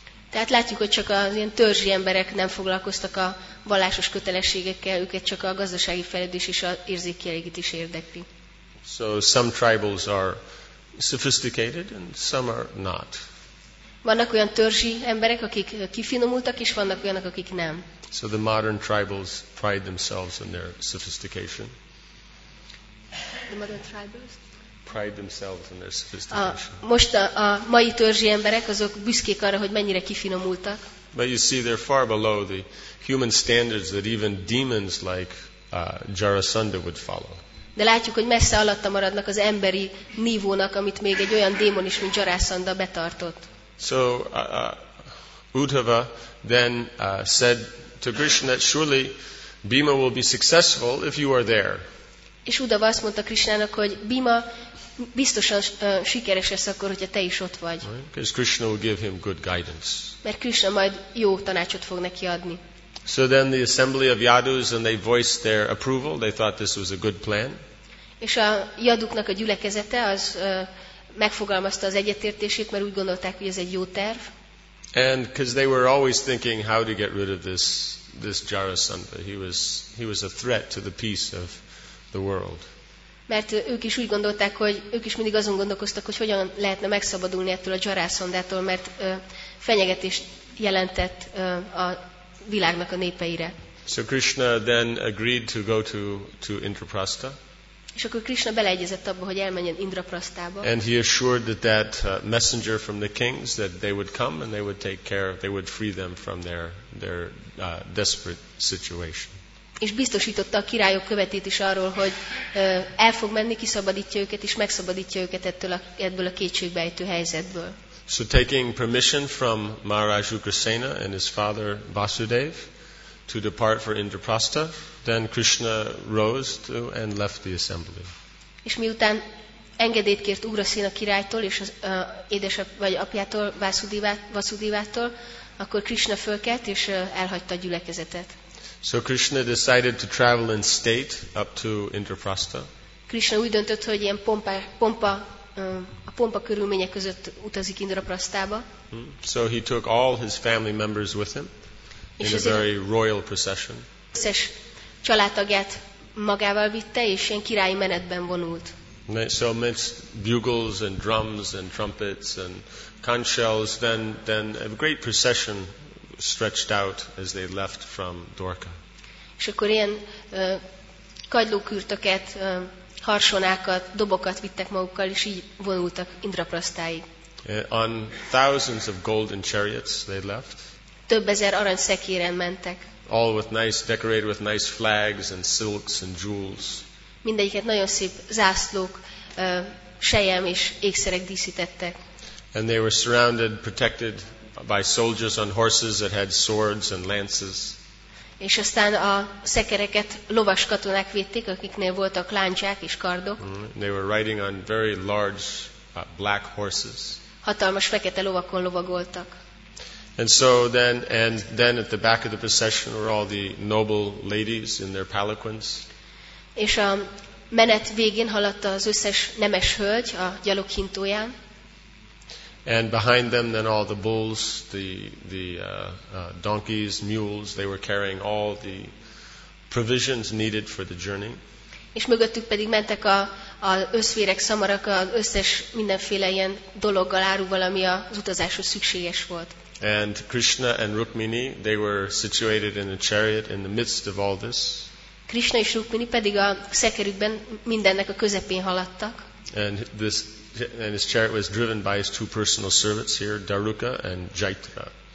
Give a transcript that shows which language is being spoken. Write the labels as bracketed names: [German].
[Hungarian] Tehát látjuk, hogy csak az ilyen törzsi emberek nem foglalkoztak a vallásos kötelességekkel, őket csak a gazdasági fejlődés és az érzékkielégítés érdekli. [English] So some tribals are sophisticated and some are not. [Hungarian] Vannak olyan törzsi emberek, akik kifinomultak, és vannak olyanok, akik nem. [English] So the modern tribals pride themselves in their sophistication. The modern tribals? Pride themselves in their sophistication. [Hungarian] Most a mai törzsi emberek azok büszkék arra, hogy mennyire kifinomultak. [English] But you see, they're far below the human standards that even demons like Jarasandha would follow. [Hungarian] De látjuk, hogy messze alatta maradnak az emberi nívónak, amit még egy olyan démon is, mint Jarasandha betartott. [English] So Uddhava then said to Krishna that surely Bhima will be successful if you are there. [Hungarian] És Uddhava azt mondta Krishnának, hogy Bhima biztosan sikeres lesz akkor, hogyha te is ott vagy. [English] Because Krishna will give him good guidance. [Hungarian] Mert Krishna majd jó tanácsot fog neki adni. [English] So then the assembly of Yadus, and they voiced their approval. They thought this was a good plan. [Hungarian] És a Yaduknak a gyülekezete az megfogalmazta az egyetértését, mert úgy gondolták, hogy ez egy jó terv. [English] And because they were always thinking how to get rid of this Jarasandha. He was a threat to the peace of the world. [Hungarian] Mert ők is úgy gondolták, hogy ők is mindig azon gondolkoztak, hogy hogyan lehetne megszabadulni ettől a Jarasandhától, mert fenyegetést jelentett a világnak a népeire. [English] So Krishna then agreed to go to Indraprastha. [Hungarian] És akkor Krishna beleegyezett abba, hogy elmenjen Indraprasthába. [English] And he assured that messenger from the kings that they would come and they would take care, they would free them from their desperate situation. [Hungarian] És biztosította a királyok követét is arról, hogy el fog menni, kiszabadítja őket és megszabadítja őket ebből a kétségbejtő helyzetből. [English] So taking permission from Maharaj Ugrasena and his father Vasudev to depart for Indraprastha, then Krishna rose and left the assembly. [Hungarian] És miután engedélyt kért Ugrasena királytól és az apjától Vasudevától, akkor Krishna fölkelt és elhagyta a gyülekezetet. [English] So Krishna decided to travel in state up to Indraprastha. [Hungarian] Krishna úgy döntött, hogy ilyen pompa körülmények között utazik Indraprasthába. [English] So he took all his family members with him in a very royal procession. [Hungarian] Összes családtagját magával vitte, és ilyen királyi menetben vonult. [English] So amidst bugles and drums and trumpets and conch shells, then a great procession stretched out as they left from Dwarka. [Hungarian] És akkor ilyen kagylókürtöket, harsonákat, dobokat vittek magukkal, és így vonultak Indraprasztáig. [English] On thousands of golden chariots they left. [Hungarian] Több ezer arany szekéren mentek. [English] All with nice, decorated with nice flags and silks and jewels. [Hungarian] Mindegyiket nagyon szép zászlók, sejem és ékszerek díszítettek. [English] And they were surrounded, protected by soldiers on horses that had swords and lances. [Hungarian] És aztán a szekereket lovas katonák védték, akiknél voltak láncsák és kardok. [English] They were riding on very large black horses. [Hungarian] Hatalmas fekete lovakon lovagoltak. [English] And so then, and then at the back of the procession were all the noble ladies in their palanquins. [Hungarian] És a menet végén haladt az összes nemes hölgy a gyaloghintóján. [English] And behind them then all the bulls, the donkeys, mules, they were carrying all the provisions needed for the journey. [Hungarian] És mögöttük pedig mentek az összvérek, szamarak, az összes mindenféle ilyen dologgal, áruval, ami az utazáshoz szükséges volt. [English] And Krishna and Rukmini, they were situated in a chariot in the midst of all this. [Hungarian] Krishna és Rukmini pedig a szekerükben mindennek a közepén haladtak. [English] And his chariot was driven by his two personal servants here, Daruka and Jaitra.